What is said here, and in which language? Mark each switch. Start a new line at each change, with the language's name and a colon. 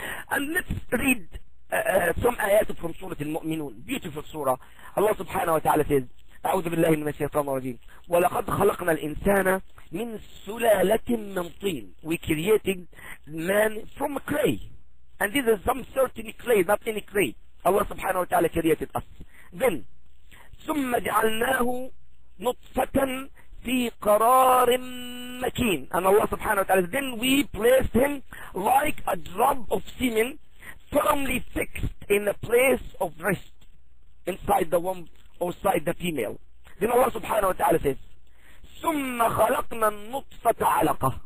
English: And let's read some ayat from Surah Al-Mu'minun, beautiful surah. Allah subhanahu wa ta'ala says,
Arabic: أعوذ بالله من الشيطان الرجيم. وَلَقَدْ خَلَقْنَا الْإِنسَانَ مِنْ سُلَالَةٍ مِنْ طِينٍ.
English: We created man from clay. And this is some certain clay, not any clay. Allah subhanahu wa ta'ala created us.
Arabic: Then, ثُمَّ جَعَلْنَاهُ نُطْفَةً فِي قَرَارٍ مَكِينٍ.
English: And Allah subhanahu wa ta'ala says, then we placed him like a drop of semen firmly fixed in a place of rest inside the womb or inside the female. Then Allah subhanahu wa ta'ala says,
Arabic: ثم خلقنا النطفة علقة.